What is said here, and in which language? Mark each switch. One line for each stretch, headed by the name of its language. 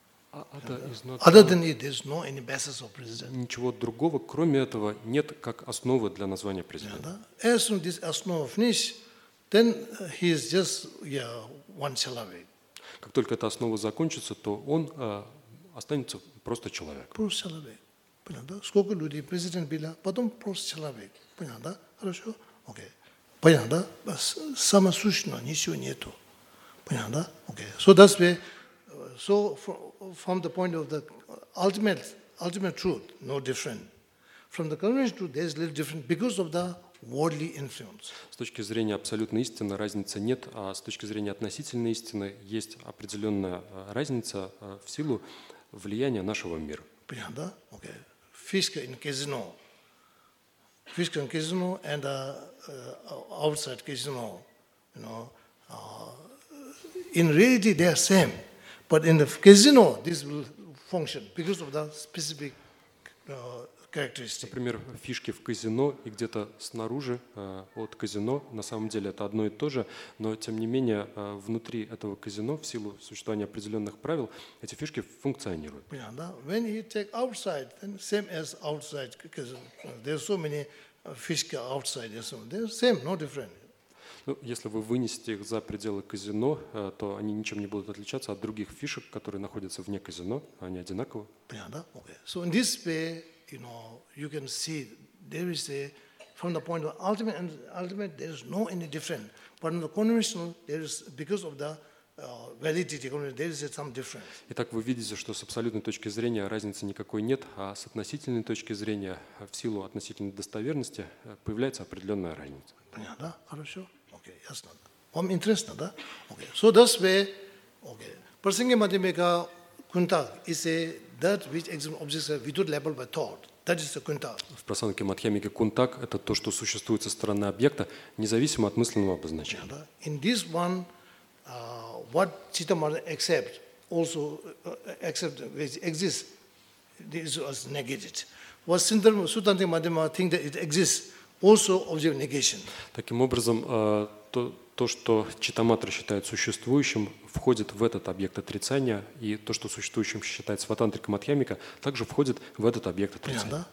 English: Other than it, there's no any basis of president.
Russian: Ничего другого, кроме этого, нет как основы для названия президента.
English: As soon as this
Russian: основа
English: finished, then he is just yeah, one
Russian: человек. Как только эта основа закончится, то он останется просто человек. Просто человек. Понятно, да? Сколько людей президент было, потом просто человек. Понятно, да? Хорошо? Окей. Понятно, да? Самосущно, ничего нету. Понятно, да? Окей.
English: So that's why, so from the point of the ultimate truth, no different. From the conventional truth, there's a little different because of the worldly influence.
Russian: С точки зрения абсолютной истины разницы нет, а с точки зрения относительной истины есть определенная разница в силу влияния нашего мира. Понятно, да? Окей.
English: Fisca in casino, Fisca in casino and outside casino, you know, in reality they are same, but in the casino this will function because of the specific characteristic.
Russian: Например, фишки в казино и где-то снаружи от казино, на самом деле это одно и то же, но тем не менее внутри этого казино, в силу существования определенных правил, эти фишки функционируют. Понятно, да?
English: When you take outside, then same as outside, because there's so many
Russian: фишки
English: outside, they're same, no different.
Russian: Ну, если вы вынесете их за пределы казино, то они ничем не будут отличаться от других фишек, которые находятся вне казино, они одинаковы. Понятно, да?
English: Okay. So in this way, you know, you can see there is a from the point of ultimate there is no any different. But in the conventional, there is because of the validity, there is some difference.
Russian: Итак, вы видите, что с абсолютной точки зрения разницы никакой нет, а с относительной точки зрения, в силу относительной достоверности, появляется определенная разница. Понятно, да? Хорошо. Окей, ясно. Вам интересно, да? Окей.
English: So that's where, okay. Prasanga Madhyamika Kuntak is a that which exists objects without label by thought. That is the kuntak.
Russian: В прасанке Мадхьямики кунтак это то, что существует со стороны объекта, независимо от мысленного обозначения.
English: Yeah,
Russian: да?
English: In this one, what Chittamata accept also accept which exists, this was negated. What Sutanti Madhyamika think that it exists also object negation.
Russian: Таким образом, то То, что читаматра считает существующим, входит в этот объект отрицания, и то, что существующим считается ватантрика матхьямика, также входит в этот объект отрицания.